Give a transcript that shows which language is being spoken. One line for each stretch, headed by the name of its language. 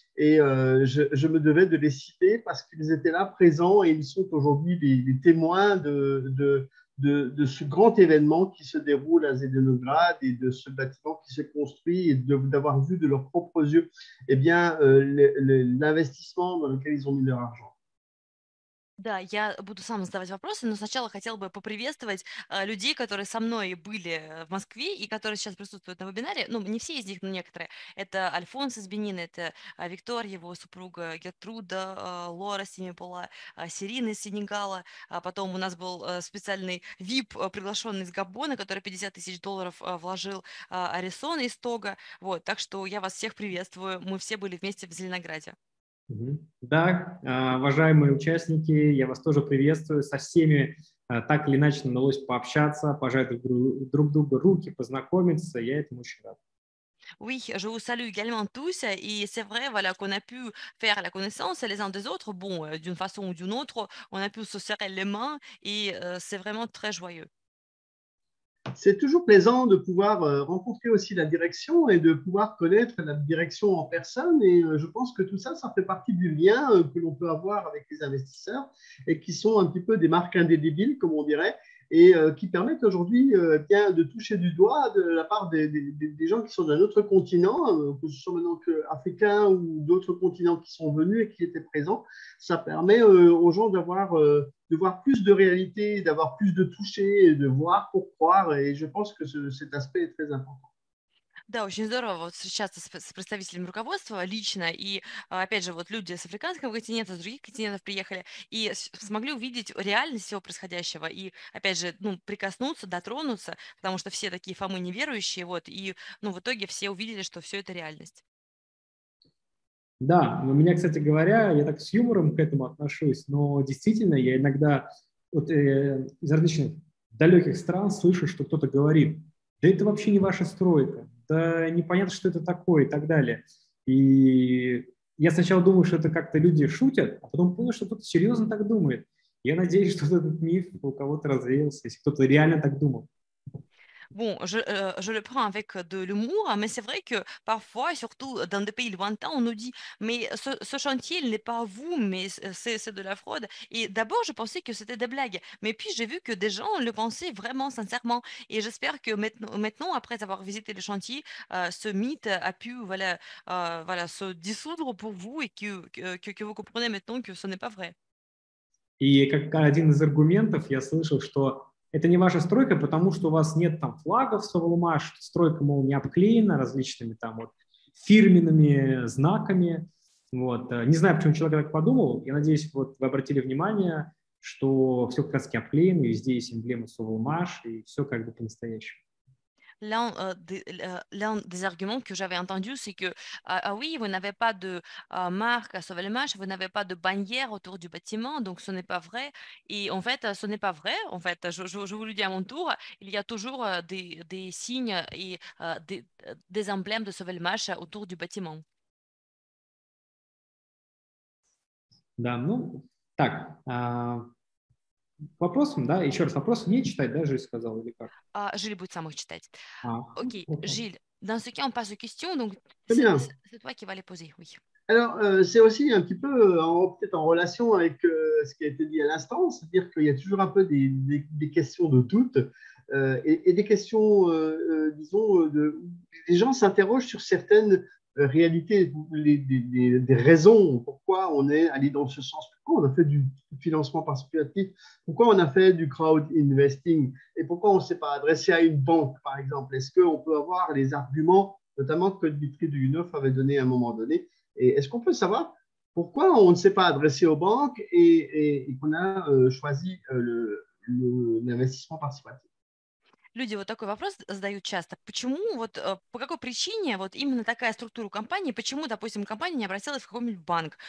French: Et je me devais de les citer parce qu'ils étaient là présents et ils sont aujourd'hui les témoins de ce grand événement qui se déroule à Zéléno-Grad et de ce bâtiment qui s'est construit et d'avoir vu de leurs propres yeux eh bien, l'investissement dans lequel ils ont mis leur argent.
Russian: Да, я буду сам задавать вопросы, но сначала хотела бы поприветствовать людей, которые со мной были в Москве и которые сейчас присутствуют на вебинаре. Ну, не все из них, но некоторые. Это Альфонс из Бенина, это Виктор, его супруга Гертруда, Лора с ними была, Сирина из Сенегала. Потом у нас был специальный VIP, приглашенный из Габона, который $50 000 вложил Арисон из Тога. Вот, так что я вас всех приветствую. Мы все были вместе в Зеленограде. Да, уважаемые участники, я вас тоже приветствую. Со всеми так или иначе удалось пообщаться, пожать друг другу руки, познакомиться. Я этому очень рад.
French: Oui, je vous salue également tous et c'est vrai voilà, qu'on a pu faire la connaissance les uns des autres. Bon, d'une façon ou d'une autre, on a pu se serrer les mains et c'est vraiment très joyeux. C'est toujours plaisant de pouvoir rencontrer aussi la direction et de pouvoir connaître la direction en personne. Et je pense que tout ça, ça fait partie du lien que l'on peut avoir avec les investisseurs et qui sont un petit peu des marques indélébiles, comme on dirait, et qui permettent aujourd'hui bien de toucher du doigt de la part des gens qui sont d'un autre continent, que ce soit maintenant qu'Africains ou d'autres continents qui sont venus et qui étaient présents. Ça permet aux gens d'avoir... de voir plus de réalité, d'avoir plus de toucher, de voir pour croire. Et je pense que cet aspect est très important.
Russian: Да, очень здорово вот встречаться с представителями руководства лично, и опять же, вот люди с африканского континента, с других континентов приехали, и смогли увидеть реальность всего происходящего, и опять же, ну, прикоснуться, дотронуться, потому что все такие Фомы неверующие, вот, и, ну, в итоге все увидели, что все это реальность. Да, у меня, кстати говоря, я так с юмором к этому отношусь, но действительно, я иногда вот, из различных далеких стран слышу, что кто-то говорит, да это вообще не ваша стройка, да непонятно, что это такое и так далее. И я сначала думал, что это как-то люди шутят, а потом понял, что кто-то серьезно так думает. Я надеюсь, что этот миф у кого-то развеялся, если кто-то реально так думал.
French: Bon, je le prends avec de l'humour, mais c'est vrai que parfois, surtout dans des pays lointains, on nous dit « mais ce chantier n'est pas vous, mais c'est de la fraude ». Et d'abord, je pensais que c'était des blagues, mais puis j'ai vu que des gens le pensaient vraiment sincèrement. Et j'espère que maintenant, après avoir visité le chantier, ce mythe a pu voilà, se dissoudre pour vous et que vous comprenez maintenant que ce n'est pas vrai. Et comme un des arguments, j'ai entendu que
Russian: это не ваша стройка, потому что у вас нет там флагов с Авалума, что стройка, мол, не обклеена различными там вот фирменными знаками. Вот. Не знаю, почему человек так подумал. Я надеюсь, вот вы обратили внимание, что все как раз обклеено, и везде есть эмблема с Авалума, и все как бы по-настоящему.
French: L'un des arguments que j'avais entendu, c'est que oui, vous n'avez pas de marque à Sauvelmash, vous n'avez pas de bannière autour du bâtiment, donc ce n'est pas vrai. Et en fait, ce n'est pas vrai. En fait, je vous le dis à mon tour, il y a toujours des signes et des emblèmes de Sauvelmash autour du bâtiment.
Russian: Да, ну, так, вопросом, да? Еще раз, вопрос не читать, да, Жиль сказал, или как? А, Жиль будет сам их читать.
French: Окей, Жиль, dans ce cas, on passe aux questions, donc c'est toi qui vas les poser, oui. Alors, c'est aussi un petit peu peut-être en relation avec ce qui a été dit à l'instant, c'est-à-dire qu'il y a toujours un peu des questions de doute et des questions, disons, les gens s'interrogent sur certaines réalités, des raisons, pourquoi on est allé dans ce sens, pourquoi on a fait du financement participatif, pourquoi on a fait du crowd investing et pourquoi on ne s'est pas adressé à une banque, par exemple. Est-ce qu'on peut avoir les arguments, notamment que Dmitri Dugunov avait donné à un moment donné? Et est-ce qu'on peut savoir pourquoi on ne s'est pas adressé aux banques et qu'on a choisi l'investissement participatif?
Russian: Люди вот такой вопрос задают часто. Почему, вот по какой причине вот именно такая структура компании, почему, допустим, компания не обратилась в какой-нибудь банк?